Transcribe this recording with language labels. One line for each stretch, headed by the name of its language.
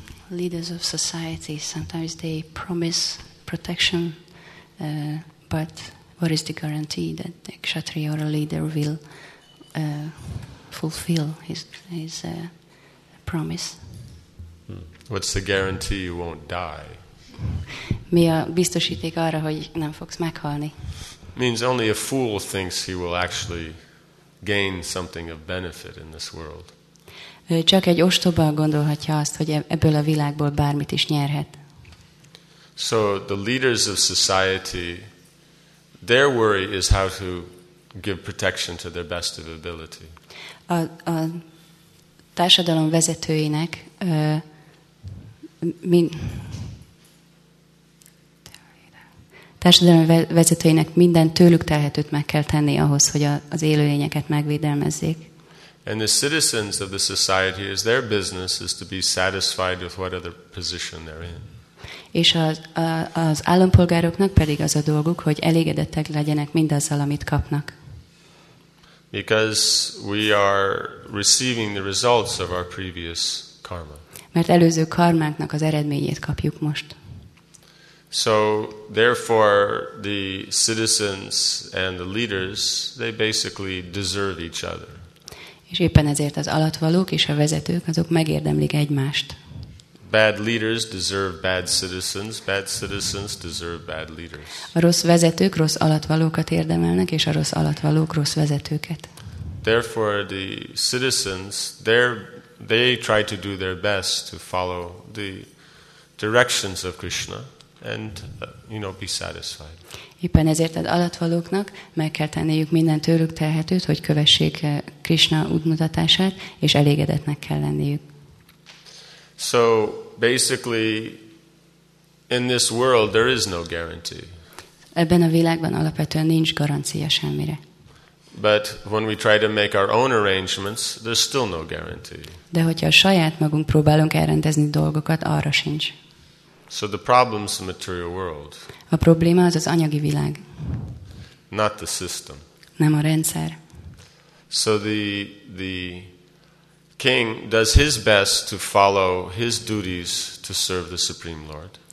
English: Leaders of society, sometimes they promise protection, but what is the guarantee that the kshatriya or a leader will fulfill his promise? What's the guarantee you won't die?
Hungarian: Mi a biztosíték arra, hogy nem fogsz meghalni?
English: Means only a fool thinks he will actually gain something of benefit in this world.
Hungarian: Csak egy ostoba gondolhatja azt, hogy ebből a világból bármit is nyerhet.
English: So the leaders of society, their worry is how to give protection to their best of ability.
Hungarian: A társadalom vezetőinek minden tőlük telhetőt meg kell tenni ahhoz, hogy az élőlényeket megvédelmezzék.
English: And the citizens of the society, is their business is to be satisfied with whatever position they're in.
Hungarian: És az állampolgároknak pedig az a dolguk, hogy elégedettek legyenek mindazzal, amit kapnak.
English: Because we are receiving the results of our previous karma.
Hungarian: Mert előző karmánknak az eredményét kapjuk most.
English: So therefore the citizens and the leaders, they basically deserve each other.
Hungarian: És éppen ezért az alattvalók és a vezetők, azok megérdemlik egymást.
English: Bad leaders deserve bad citizens, bad citizens deserve bad leaders.
Hungarian: A rossz vezetők rossz alattvalókat érdemelnek, és a rossz alattvalók rossz vezetőket.
English: Therefore the citizens, they try to do their best to follow the directions of Krishna and you know be satisfied.
Hungarian: Éppen ezért az alattvalóknak meg kell tenniük minden tőlük telhetőt, hogy kövessék Krishna útmutatását, és elégedetnek kell lenniük.
English: So basically in this world there is no guarantee.
Hungarian: Ebben a világban alapvetően nincs garancia semmire.
English: But when we try to make our own arrangements, there's still no guarantee.
Hungarian: De hogyha a saját magunk próbálunk elrendezni dolgokat, arra sincs.
English: So the problem is the material world.
Hungarian: A probléma az anyagi világ.
English: Not the system.
Hungarian: Nem a rendszer.
English: So the king does his best to follow his duties to serve the Supreme Lord.